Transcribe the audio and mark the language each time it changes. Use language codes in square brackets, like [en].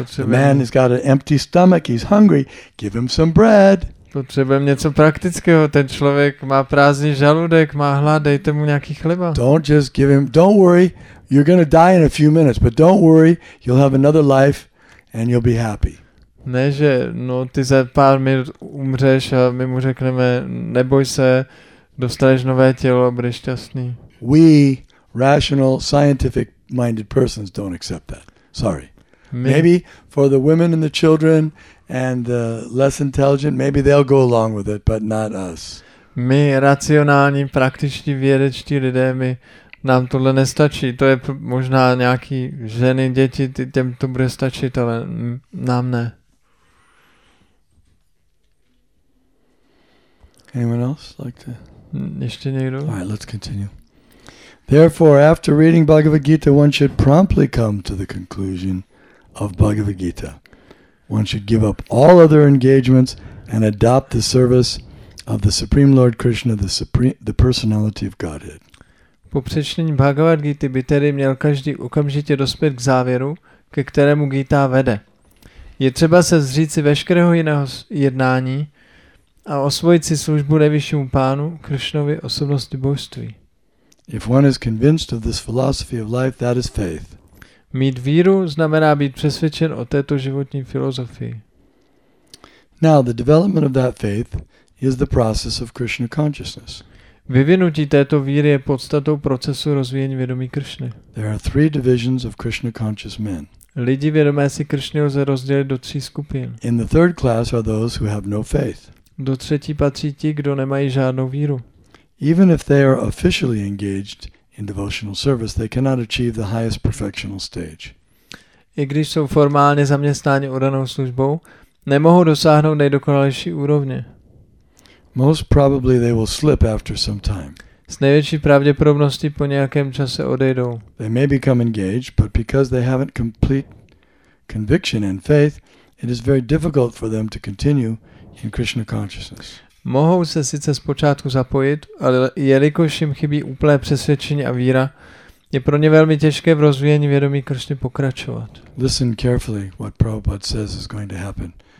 [en] The man has got an empty stomach, he's hungry. Give him some bread. [cs] Potřebujeme něco praktického. Ten člověk má prázdný žaludek, má hlad, dejte mu nějaký chleba. [en] Don't just give him, don't worry, you're going to die in a few minutes, but don't worry, you'll have another life and you'll be happy. [cs] Ne, že no, ty za pár minut umřeš a my mu řekneme, neboj se, dostaneš nové tělo a budeš šťastný. [en] We, rational, scientific-minded persons, don't accept that. Sorry. Maybe for the women and the children, and the less intelligent, maybe they'll go along with it, but not us. [cs] My racionální, praktičtí, vědečtí lidé, my nám tohle nestačí. To je možná nějaký ženy, děti, těm to bude stačit, ale nám ne. [en] Anyone else like to? [cs] Ještě někdo? [en] All right, let's continue. Therefore, after reading Bhagavad Gita, one should promptly come to the conclusion of Bhagavad Gita. One should give up all other engagements and adopt the service of the Supreme Lord Krishna, the personality of Godhead. [cs] Po přečtení Bhagavad Gita by tedy měl každý okamžitě dospět k závěru, ke kterému Gita vede. Je třeba se zříci veškerého jiného jednání a osvojit si službu nejvyššímu pánu, Kršnovi osobnosti božství. [en] If one is convinced of this philosophy of life, that is faith. [cs] Mít víru znamená být přesvědčen o této životní filozofii. [en] Now the development of that faith is the process of Krishna consciousness. [cs] Vyvinutí této víry je podstatou procesu rozvíjení vědomí Kršny. [en] There are three divisions of Krishna conscious men. [cs] Lidi vědomé si Kršny lze rozdělit do tří skupin. [en] In the third class are those who have no faith. [cs] Do třetí patří ti, kdo nemají žádnou víru. [en] Even if they are officially engaged in devotional service, they cannot achieve the highest perfectional stage. [cs] I když jsou formálně zaměstnáni oddanou službou, nemohou dosáhnout nejdokonalejší úrovně. [en] Most probably they will slip after some time. [cs] S největší pravděpodobností po nějakém čase odejdou. [en] They may become engaged, but because they haven't complete conviction and faith, it is very difficult for them to continue in Krishna consciousness. [cs] Mohou se sice zpočátku zapojit, ale jelikož jim chybí úplné přesvědčení a víra, je pro ně velmi těžké v rozvíjení vědomí Kršny pokračovat. [en] Listen carefully what Prabhupada says is going to happen.